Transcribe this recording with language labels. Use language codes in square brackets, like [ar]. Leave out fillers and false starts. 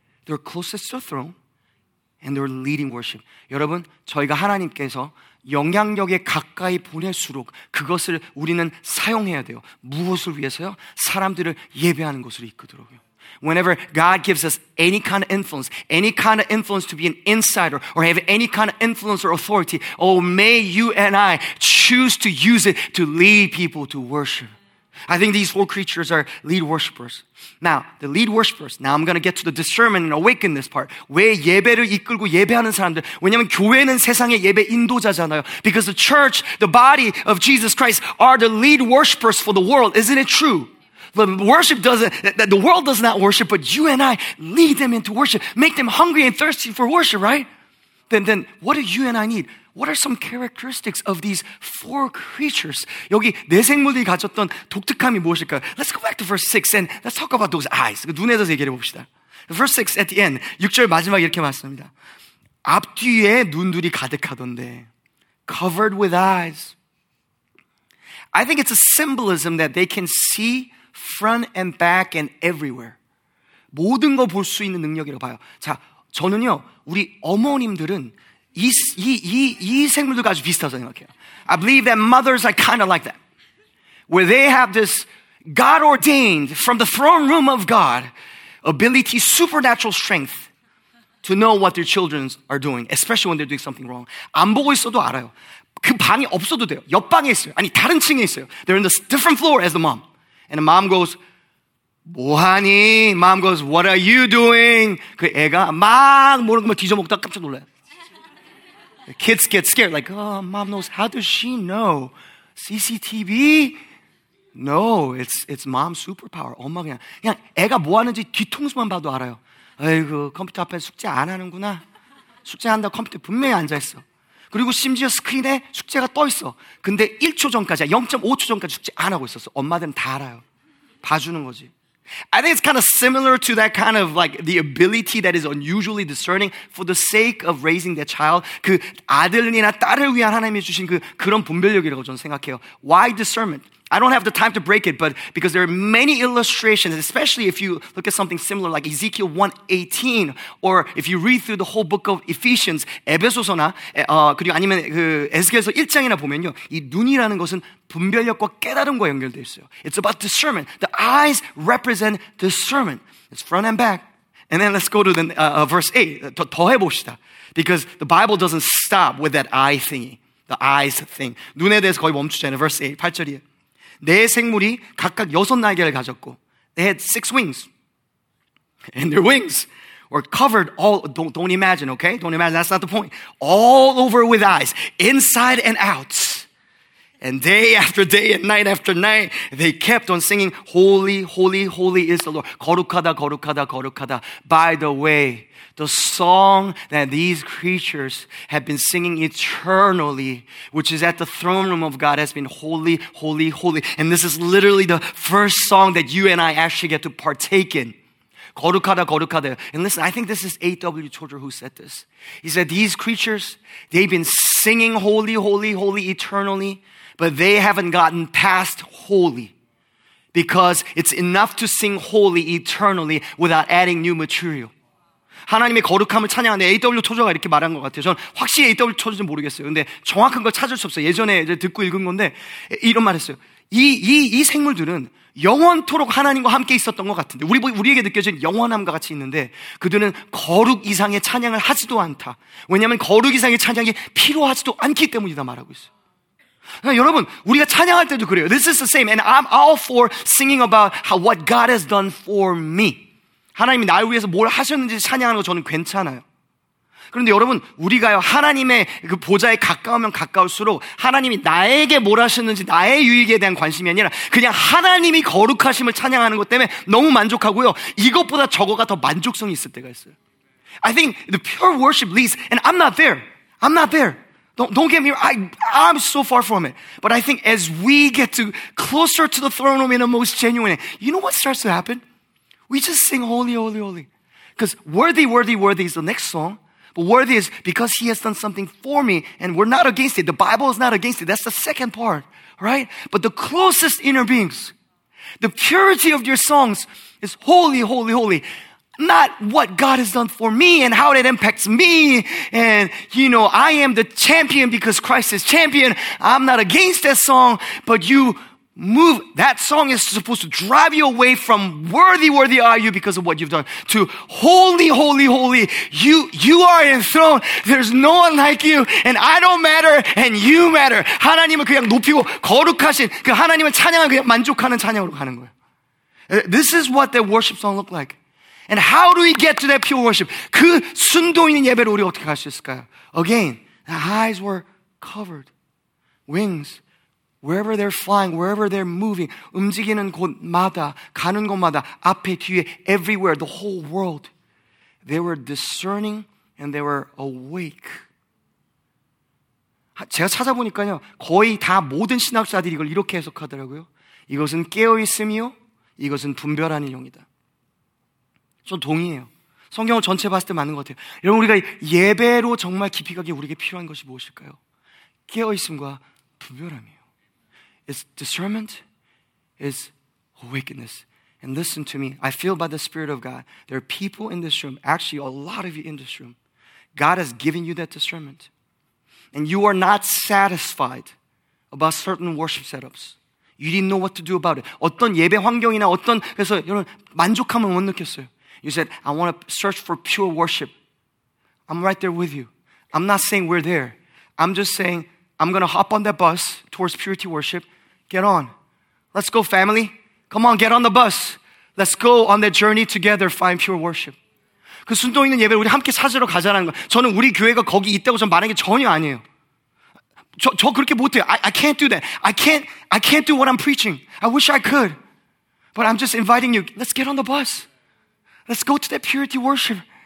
[en] They're closest to throne, and they're leading worship. [ko] 여러분, 저희가 하나님께서 영향력에 가까이 보낼수록 그것을 우리는 사용해야 돼요. 무엇을 위해서요? 사람들을 예배하는 것으로 이끄도록요. [en] Whenever God gives us any kind of influence to be an insider or have any kind of influence or authority, oh, may you and I choose to use it to lead people to worship. I think these four creatures are lead worshipers. Now, the lead worshipers, now I'm going to get to the discernment and awaken this part. [ko] 왜 예배를 이끌고 예배하는 사람들? 왜냐면 교회는 세상의 예배 인도자잖아요. [en] Because the church, the body of Jesus Christ, are the lead worshipers for the world. Isn't it true? But worship doesn't, that the world does not worship, but you and I lead them into worship, make them hungry and thirsty for worship, right? Then what do you and I need? What are some characteristics of these four creatures? [ko] 여기 네 생물들이 가졌던 독특함이 무엇일까요? [en] Let's go back to verse 6 and let's talk about those eyes. [ko] 눈에서 얘기를 봅시다. [en] Verse 6 at the end, [ko] 6절 마지막에 이렇게 말씀합니다. 앞뒤에 눈들이 가득하던데, [en] covered with eyes. I think it's a symbolism that they can see front and back and everywhere. [ko] 모든 거 볼 수 있는 능력이라고 봐요. 자, 저는요, 우리 어머님들은 이 생물들과 아주 비슷하다고 생각해요. [en] I believe that mothers are kind of like that. Where they have this God ordained from the throne room of God ability, supernatural strength to know what their children are doing, especially when they're doing something wrong. [ko] 안 보고 있어도 알아요. 그 방이 없어도 돼요. 옆방에 있어요. 아니, 다른 층에 있어요. [en] They're in this different floor as the mom. And the mom goes, [ko] 뭐하니? [en] Mom goes, what are you doing? [ko] 그 애가 막 모르는 걸 뒤져먹다 깜짝 놀라요. [en] The kids get scared. Like, oh, mom knows. How does she know? CCTV? No, it's mom's superpower. [ko] 엄마 그냥 애가 뭐 하는지 뒤통수만 봐도 알아요. 아이고, 컴퓨터 앞에 숙제 안 하는구나. 숙제한다, 컴퓨터 분명히 앉아있어. 그리고 심지어 스크린에 숙제가 떠 있어. 근데 1초 전까지, 0.5초 전까지 숙제 안 하고 있었어. 엄마들은 다 알아요. 봐주는 거지. [en] I think it's kind of similar to that kind of like the ability that is unusually discerning for the sake of raising their child. [ko] 그 아들이나 딸을 위한 하나님이 주신 그런 분별력이라고 저는 생각해요. [en] Why discernment? I don't have the time to break it, but because there are many illustrations, especially if you look at something similar like Ezekiel 1:18, or if you read through the whole book of Ephesians, [ko] 에베소서나 그리고 아니면 그 에스겔서 1장이나 보면요, 이 눈이라는 것은 분별력과 깨달음과 연결되어 있어요. [en] It's about discernment. The eyes represent discernment. It's front and back. And then let's go to the verse 8. [ko] 더 해봅시다. [en] Because the Bible doesn't stop with that eye thingy, the eyes thing. [ko] 눈에 대해서 거의 멈추지 않아요. [en] Verse 8, [ko] 8절이에요. 네 생물이 각각 여섯 날개를 가졌고 [en] they had six wings and their wings were covered all don't imagine okay don't imagine that's not the point all over with eyes inside and out and day after day and night after night they kept on singing holy holy holy is the Lord [ko] 거룩하다 거룩하다 거룩하다 [en] by the way the song that these creatures have been singing eternally, which is at the throne room of God, has been holy, holy, holy. And this is literally the first song that you and I actually get to partake in. [ko] 거룩하다, 거룩하다. [en] And listen, I think this is A.W. Tozer who said this. He said, these creatures, they've been singing holy, holy, holy eternally, but they haven't gotten past holy. Because it's enough to sing holy eternally without adding new material. [ko] 하나님의 거룩함을 찬양하는데 A.W. 토저가 이렇게 말한 것 같아요. 전 확실히 A.W. 토저인지 모르겠어요. 근데 정확한 걸 찾을 수 없어요. 예전에 이제 듣고 읽은 건데 이런 말 했어요. 이 생물들은 영원토록 하나님과 함께 있었던 것 같은데 우리에게 느껴진 영원함과 같이 있는데 그들은 거룩 이상의 찬양을 하지도 않다. 왜냐하면 거룩 이상의 찬양이 필요하지도 않기 때문이다 말하고 있어요. 여러분 우리가 찬양할 때도 그래요. [en] This is the same and I'm all for singing about how, what God has done for me. [ko] 하나님이 나를 위해서 뭘 하셨는지 찬양하는 거 저는 괜찮아요. 그런데 여러분 우리가요 하나님의 그 보좌에 가까우면 가까울수록 하나님이 나에게 뭘 하셨는지 나의 유익에 대한 관심이 아니라 그냥 하나님이 거룩하심을 찬양하는 것 때문에 너무 만족하고요. 이것보다 저거가 더 만족성이 있을 때가 있어요. [en] I think the pure worship leads and I'm not there. I'm not there. Don't get me wrong. I'm so far from it. But I think as we get to closer to the throne room in the most genuine way, you know what starts to happen? We just sing holy, holy, holy. Because worthy, worthy, worthy is the next song. But worthy is because he has done something for me and we're not against it. The Bible is not against it. That's the second part, right? But the closest inner beings, the purity of your songs is holy, holy, holy. Not what God has done for me and how it impacts me. And, you know, I am the champion because Christ is champion. I'm not against that song, but you... Move, that song is supposed to drive you away from worthy, worthy are you because of what you've done to holy, holy, holy. You are enthroned. There's no one like you and I don't matter and you matter. [ko] 하나님을 그냥 높이고 거룩하신 그 하나님을 찬양하고 그냥 만족하는 찬양으로 가는 거예요. [en] This is what that worship song looked like. And how do we get to that pure worship? [ko] 그 순도 있는 예배를 우리가 어떻게 갈 수 있을까요? [en] Again, the eyes were covered. Wings Wherever they're flying, wherever they're moving, [ko] 움직이는 곳마다, 가는 곳마다, 앞에, 뒤에, [en] everywhere, the whole world. They were discerning and they were awake. [ko] 제가 찾아보니까요, 거의 다 모든 신학자들이 이걸 이렇게 해석하더라고요. 이것은 깨어있음이요, 이것은 분별하는 용이다. 전 동의해요. 성경을 전체 봤을 때 맞는 것 같아요. 여러분, 우리가 예배로 정말 깊이 가기 우리에게 필요한 것이 무엇일까요? 깨어있음과 분별함이에요. [en] It's discernment, it's awakeness. And listen to me, I feel by the Spirit of God, there are people in this room, actually a lot of you in this room, God has given you that discernment. And you are not satisfied about certain worship setups. You didn't know what to do about it. [ko] 어떤 예배 환경이나 어떤 그래서 여러분 만족함을 못 느꼈어요. [en] You said, I want to search for pure worship. I'm right there with you. I'm not saying we're there. I'm just saying, I'm going to hop on that bus towards purity worship. Get on. Let's go, family. Come on, get on the bus. Let's go on that journey together, find pure worship. [ko] 그 순종 있는 예배를 우리 함께 찾으러 가자는 거. 저는 우리 교회가 거기 있다고 전 말한 게 전혀 아니에요. 저 그렇게 못해요. [en] I can't do that. I can't do what I'm preaching. I wish I could. But I'm just inviting you. Let's get on the bus. Let's go to that purity worship.